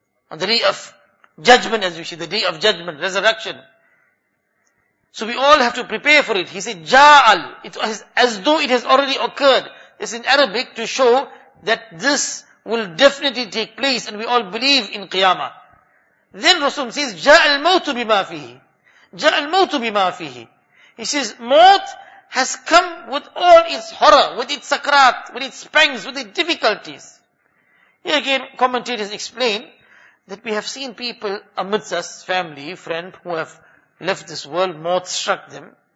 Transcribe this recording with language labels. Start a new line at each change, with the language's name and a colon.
English: On the day of judgment, as we see, the day of judgment, resurrection. So we all have to prepare for it. He said, ja'al. It was as though it has already occurred. It's in Arabic to show that this will definitely take place and we all believe in qiyamah.
Arabic: Then Rasulullah says, جَاءَ الْمَوْتُ بِمَا فِيهِ جَاءَ الْمَوْتُ بِمَا فِيهِ.
English: He says, Maut has come with all its horror, with its sakrat, with its pangs, with its difficulties. Here again, commentators explain that we have seen people amidst us, family, friend, who have left this world, Maut struck them.